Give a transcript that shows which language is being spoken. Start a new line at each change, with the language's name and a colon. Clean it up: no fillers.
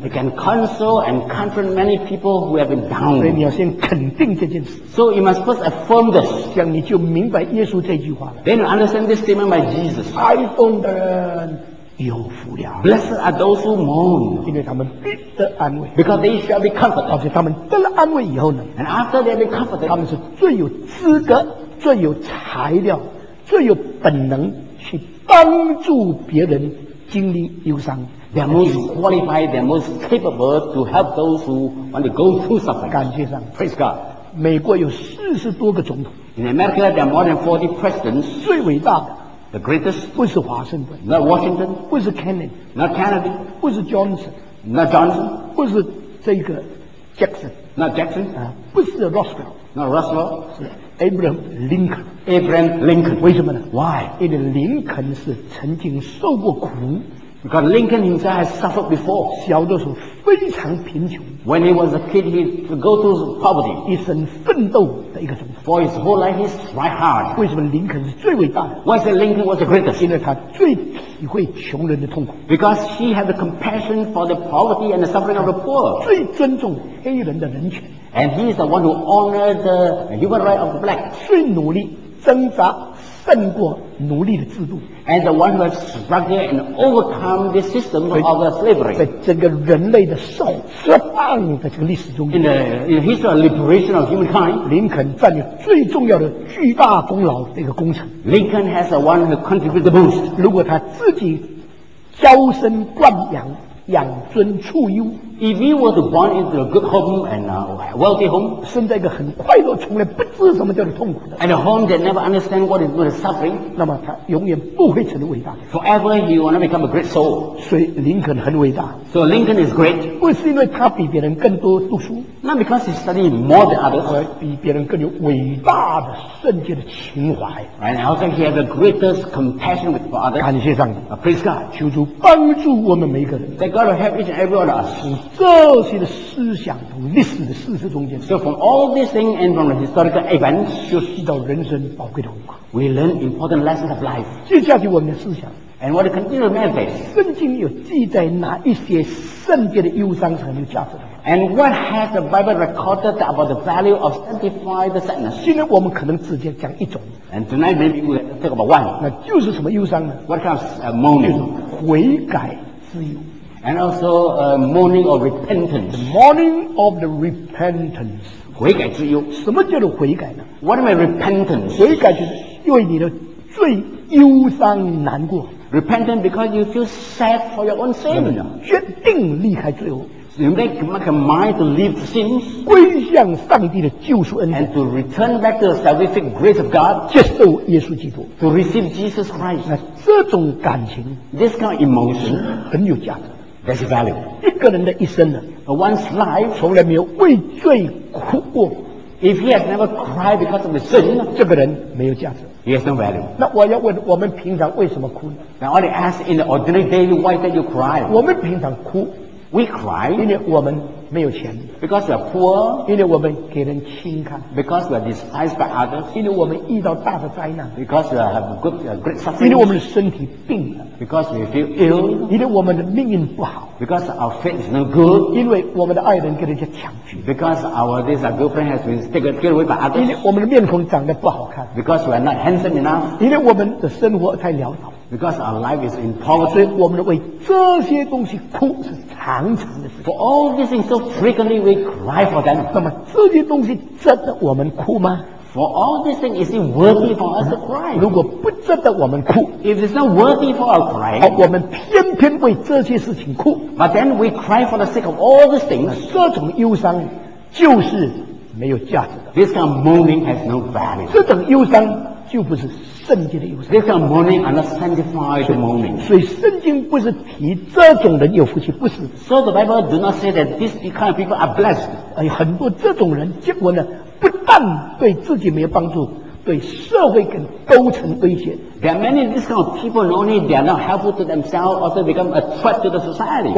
English: it can console and comfort many people who have been down
Chinese: 所以你要先肯定这件事
English: so you must first affirm this
Chinese: 这样你就明白耶稣这句话了
English: then you understand this statement by Jesus
Chinese: 哀痛的人有福了
English: Blessed are those who mourn
Chinese: 因为他们必得安慰
English: Because they shall be comforted
Chinese: 而且他们得了安慰以后呢
English: And after they have been comforted
Chinese: 他们是最有资格最有材料最有本能去帮助别人经历忧伤
English: They are most qualified They are most capable to help those who want to go through suffering
Chinese: 感谢上
English: Praise God
Chinese: 美国有40多个总统
English: In America there are more than 40 presidents
Chinese: 最伟大的
English: The greatest
Chinese: 不是华盛顿
English: Not Washington
Chinese: 不是 Kennedy
English: Not Kennedy
Chinese: 不是 Johnson
English: Not Johnson
Chinese: 不是这个 Jackson
English: Not Jackson
Chinese: 不是 Roosevelt
English: Not Roosevelt
Chinese: 是 Abraham Lincoln
English: Abraham Lincoln
Chinese: 为什么呢
English: Why?
Chinese: 因为林肯是曾经受过苦
English: Because Lincoln himself has suffered before
Chinese: 小的时候非常贫穷
English: When he was a kid he would go through poverty
Chinese: 一生奋斗的一个总统
English: For his whole life he tried hard
Chinese: 为什么林肯是最伟大的
English: Why is it Lincoln was the greatest
Chinese: 因为他最体会穷人的痛苦
English: Because he had the compassion for the poverty and the suffering of the poor
Chinese: 最尊重黑人的人权
English: And he is the one who honored the human right of the black
Chinese: 最努力挣扎胜过奴隶的制度
English: and the one who has struggled and overcome the system of slavery
Chinese: 在整个人类的受释放的这个历史中
English: in the history of liberation of humankind
Chinese: 林肯占有最重要的巨大功劳的一个工程
English: Lincoln has the one who contributed the most
Chinese: 如果他自己娇生惯养养尊处优
English: if he was born into a good home and a wealthy home
Chinese: 生在一个很快乐从来不知什么叫做痛苦的
English: and a home that never understand what is suffering
Chinese: 那么他永远不会成为伟大的
English: forever he will not become a great soul
Chinese: 所以林肯很伟大
English: so Lincoln is great
Chinese: 不是因为他比别人更多读书
English: not because he studied more than others
Chinese: 而比别人更有伟大的圣洁的情怀
English: and also he has the greatest compassion for others
Chinese: 感谢上帝
English: Praise God
Chinese: 求主帮助我们每一个人
English: God will help each and every one of us.
Chinese: 从这些的思想，从历史的事实中间。
English: So from all these things and from the historical events,
Chinese: 就知道人生宝贵的功课。
English: We learn important lessons of life.
Chinese: 接下去我们的思想。
English: And what continue to manifest?
Chinese: 圣经有记载哪一些圣洁的忧伤是很有价值的
English: ？And what has the Bible recorded about the value of sanctified sadness?
Chinese: 今天我们可能直接讲一种。
English: And tonight maybe we talk about one.
Chinese: 那就是什么忧伤呢
English: ？What kind of mourning?
Chinese: 就是悔改之忧。
English: And also a morning of repentance. The morning of the repentance.
Chinese: 悔改之忧。什么叫做悔改呢
English: ？What am I repentance?
Chinese: 悔改就是因为你的罪忧伤难过。
English: Repentant because you feel sad for your own sin.
Chinese: 决定离开罪恶。
English: make a mind to leave sins,
Chinese: 归向上帝的救赎恩典，
English: and to return back to the salvific grace of God,
Chinese: 接受耶稣基督，
English: to receive Jesus Christ.
Chinese: 那这种感情，
English: this kind of emotion,
Chinese: 很有价值。
English: That's value.
Chinese: 一个人的一生呢，
English: But one's life
Chinese: 从来没有为罪哭过。
English: If he has never cried because of the sin,
Chinese: 这个人没有价值。
English: He has no value.
Chinese: 那我要问，我们平常为什么哭呢？
English: Now I want to ask in the ordinary daily, why did you cry?
Chinese: 我们平常哭，
English: we cry,
Chinese: 因为我们没有钱。
English: Because we are poor,
Chinese: 因为我们给人轻看。
English: Because we are despised by others,
Chinese: 因为我们遇到大的灾难。
English: Because we have great suffering,
Chinese: 因为我们的身体病了。
English: Because we feel ill,
Chinese: 因为我们的命运不好。
English: Because our fate is no good,
Chinese: 因为我们的爱人跟人家抢去。
English: Because our girlfriend has been taken away by others,
Chinese: 因为我们的面孔长得不好看。
English: Because we are not handsome enough,
Chinese: 因为我们的生活太潦倒。
English: Because our life is in poverty,
Chinese: 所以我们为这些东西哭是常常的事。
English: For all these things, so frequently we cry for them.
Chinese: 那么这些东西值得我们哭吗？
English: For all these things, is it worthy for us to cry?
Chinese: 如果不值得我们哭，
English: if it's not worthy for our crying,
Chinese: 我们偏偏为这些事情哭，
English: but then we cry for the sake of all these things,
Chinese: 这种忧伤就是没有价值的。
English: This kind of mourning has no value.
Chinese: 这种忧伤就不是圣洁的忧伤。
English: This kind of mourning are not sanctified mourning.
Chinese: 所以圣经不是提这种人有福气，不是。
English: So the Bible do not say that these kind of people are blessed.
Chinese: 哎，很多这种人，结果呢？不但对自己没有帮助，对社会更构成威胁。
English: There are many this kind of people, not only they are not helpful to themselves, also become a threat to the society.